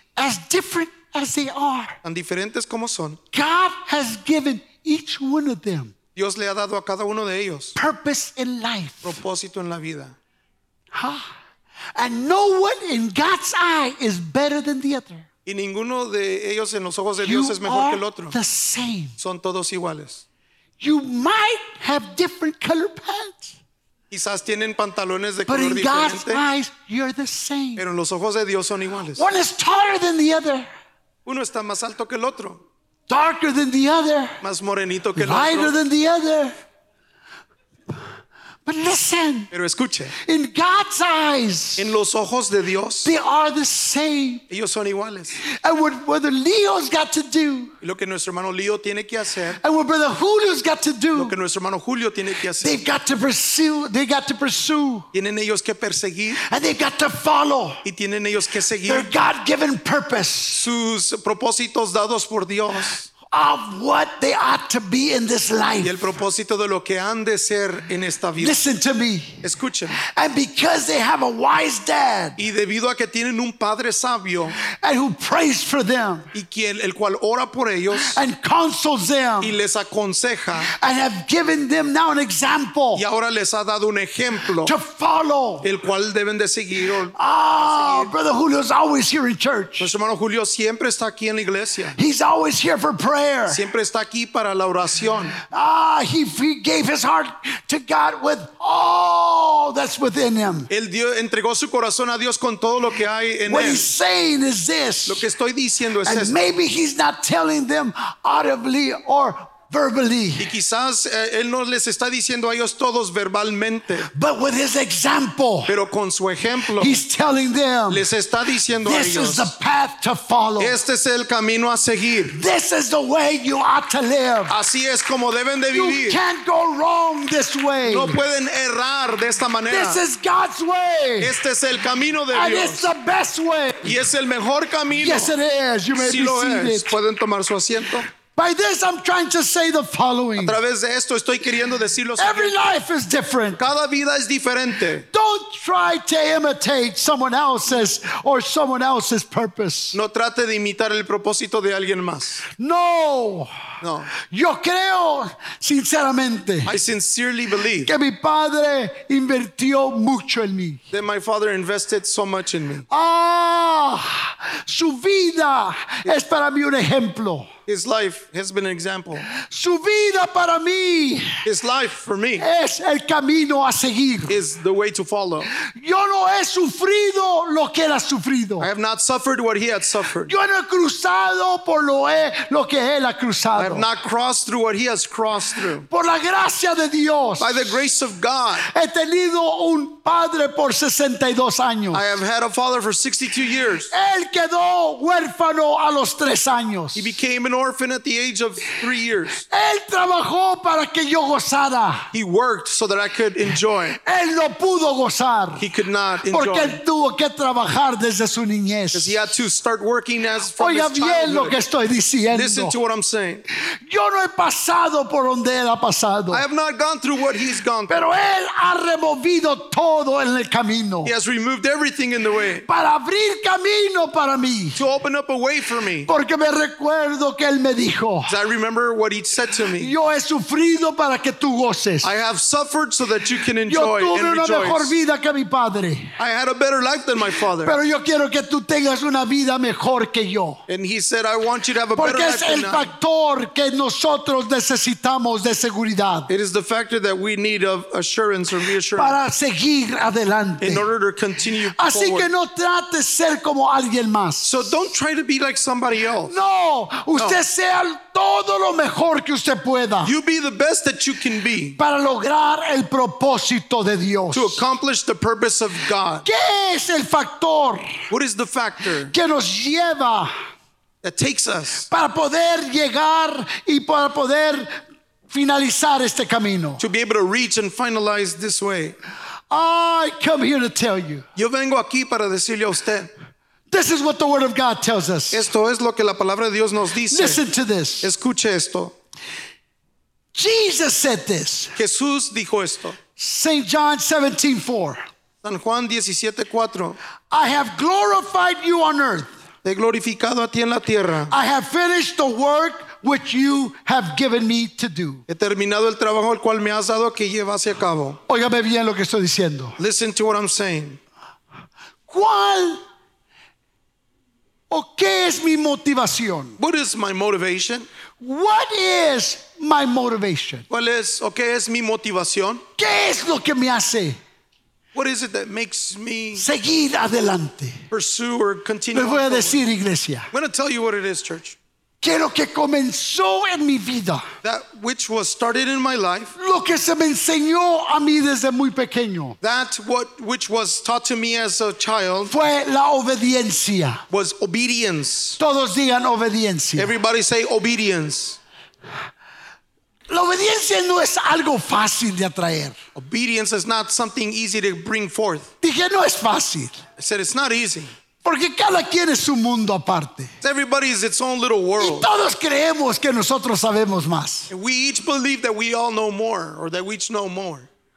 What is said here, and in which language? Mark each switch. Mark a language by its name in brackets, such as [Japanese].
[English] as different as they are, [Spanish] tan diferentes como son, [English] God has given each one of them, [Spanish] Dios le ha dado a cada uno de ellos, [English] purpose in life, [Spanish] propósito en la vida. Huh? [English] And no one in God's eye is better than the other. [Spanish] Y ninguno de ellos en los ojos de Dios es mejor que el otro. Son todos iguales. [English] You might have different color pants. [Spanish] Quizás tienen pantalones de [English] but color in [Spanish] diferente. [English] God's eyes, you're the same. [Spanish] Pero en los ojos de Dios son iguales. [English] One is taller than the other. [Spanish] Uno está más alto que el otro. [English] Darker than the other. [Spanish] Más morenito que el [English] lighter [Spanish] otro. [English] Lighter than the other. But listen. [Spanish] Pero escuche. [English] In God's eyes. [Spanish] En los ojos de Dios. [English] They are the same. [Spanish] Ellos son iguales. [English] And what Leo's got to do. [Spanish] Y lo que nuestro hermano Leo tiene que hacer. [English] And what brother Julio's got to do. [Spanish] Lo que nuestro hermano Julio tiene que hacer. [English] They've got to pursue. They got to pursue. [Spanish] Tienen ellos que perseguir. [English] And they got to follow. [Spanish] Y tienen ellos que seguir. [English] Their God-given purpose. [Spanish] Sus propósitos dados por Dios. [English] Of what they ought to be in this life. [Spanish] Y el propósito de lo que han de ser en esta vida. [English] Listen to me. [Spanish] Escúchame. [English] And because they have a wise dad. [Spanish] Y debido a que tienen un padre sabio. [English] And who prays for them. [Spanish] Y quien el cual ora por ellos. [English] And counsels them. [Spanish] Y les aconseja. [English] And have given them now an example. [Spanish] Y ahora les ha dado un ejemplo. [English] To follow. [Spanish] El cual deben de seguir. [English] Brother Julio is always here in church. [Spanish] Nuestro hermano Julio siempre está aquí en la iglesia. [English] He's always here for prayer. [Spanish] Siempre está aquí para la oración. [English] He gave his heart to God with all that's within him. [Spanish] Él dio, entregó su corazón a Dios con todo lo que hay en [English] what [Spanish] él. [English] What he's saying is this. [Spanish] Lo que estoy diciendo es [English] and [Spanish] esto. [English] Maybe he's not telling them audibly or verbally. [Spanish] Y quizás él no les está diciendo a ellos todos verbalmente. [English] But with his example. [Spanish] Pero con su ejemplo. [English] He's telling them. [Spanish] Les está diciendo a ellos. [English] This is the path to follow. [Spanish] Este es el camino a seguir. [English] This is the way you ought to live. [Spanish] Así es como deben de vivir. [English] You can't go wrong this way. [Spanish] No pueden errar de esta manera. [English] This is God's way. [Spanish] Este es el camino de [English] And [Spanish] Dios. [English] And it's the best way. [Spanish] Y es el mejor camino. [English] Yes, it is. You may [Spanish] sí lo es. Pueden tomar su asiento. [English] By this, I'm trying to say the following. [Spanish] A través de esto estoy queriendo decir lo siguiente. [English] Every life is different. [Spanish] Cada vida es diferente. [English] Don't try to imitate someone else's or someone else's purpose. [Spanish] No trate de imitar el propósito de alguien más. [English] No. [Spanish] No. Yo creo sinceramente. [English] I sincerely believe. [Spanish] Que mi padre invirtió mucho en mí. [English] That my father invested so much in me. [Spanish] Ah, su vida es para mí un ejemplo. [English] His life has been an example. [Spanish] Su vida para mí. [English] His life for me. [Spanish] Es el camino a seguir. [English] Is the way to follow. [Spanish] Yo no he sufrido lo que él ha sufrido. [English] I have not suffered what he had suffered. [Spanish] Yo no he cruzado por lo que él ha cruzado. [English] I have not crossed through what he has crossed through. [Spanish] Por la gracia de Dios. [English] By the grace of God. [Spanish] He tenido un padre por 62 años. [English] I have had a father for 62 years. [Spanish] Él quedó huérfano a los 3 años. [English] He became an orphan at the age of 3 years. [Spanish] Él trabajó para que yo gozara. [English] He worked so that I could enjoy. [Spanish] Él no pudo gozar. [English] He could not enjoy. [Spanish] Porque él tuvo que trabajar desde su niñez. [English] Because he had to start working as from [Spanish] Oiga [English] his childhood. [Spanish] Lo que estoy diciendo. [English] Listen to what I'm saying. [Spanish] Yo no he pasado por donde él ha pasado. [English] I have not gone through what he's gone through. [Spanish] Pero él ha removido todo en el camino. [English] He has removed everything in the way. [Spanish] Para abrir camino para mí. [English] To open up a way for me. [Spanish] Porque me recuerdo que él me dijo. [English] I remember what he said to me. [Spanish] Yo he sufrido para que tú goces. [English] I have suffered so that you can enjoy and rejoice. [Spanish] Yo tuve una mejor vida que mi padre. [English] I had a better life than my father. [Spanish] Pero yo quiero que tú tengas una vida mejor que yo. [English] And he said, I want you to have a [Spanish] Porque [English] better life than [Spanish] Porque es el factor que nosotros necesitamos de seguridad. [English] It is the factor that we need of assurance or reassurance. [Spanish] Para seguir adelante. [English] In order to continue [Spanish] Así [English] forward. [Spanish] Así que no trates ser como alguien más. [English] So don't try to be like somebody else. [Spanish] No. Usted sea todo lo mejor que usted pueda. [English] You be the best that you can be. [Spanish] Para lograr el propósito de Dios. [English] To accomplish the purpose of God. [Spanish] ¿Qué es el factor? [English] What is the factor? [Spanish] Que nos lleva. [English] That takes us. [Spanish] Para poder llegar y para poder finalizar este camino. [English] To be able to reach and finalize this way. I come here to tell you. [Spanish] Yo vengo aquí para decirle a usted. [English] This is what the Word of God tells us. [Spanish] Esto es lo que la palabra de Dios nos dice. [English] Listen to this. [Spanish] Escuche esto. [English] Jesus said this. [Spanish] Jesús dijo esto. [English] St. John 17:4. [Spanish] San Juan 17:4. [English] I have glorified you on earth. [Spanish] Te he glorificado a ti en la tierra. [English] I have finished the work which you have given me to do. [Spanish] He terminado el trabajo el cual me has dado que llevase a cabo. Óigame bien lo que estoy diciendo. [English] Listen to what I'm saying. [Spanish] ¿Cuál ¿O qué es mi motivación? [English] What is my motivation? What is my motivation? [Spanish] ¿Cuál es o qué es mi motivación? ¿Qué es lo que me hace? [English] What is it that makes me [Spanish] seguir adelante? [English] Pursue or continue. [Spanish] Me voy a decir iglesia. [English] I'm going to tell you what it is, church. [Spanish] Que lo que comenzó en mi vida. [English] That which was started in my life. [Spanish] Lo que se me enseñó a mí desde muy pequeño. [English] That which was taught to me as a child. [Spanish] Fue la obediencia. [English] Was obedience. [Spanish] Todos digan obediencia. [English] Everybody say obedience. [Spanish] La obediencia no es algo fácil de atraer. [English] Obedience is not something easy to bring forth. [Spanish] Dije no es fácil. [English] I said it's not easy. [Spanish] Porque cada quien es su mundo aparte. [English] Everybody is its own little world. [Spanish] Y todos creemos que nosotros sabemos más. [English] We each believe that we all know more, or that we each know more.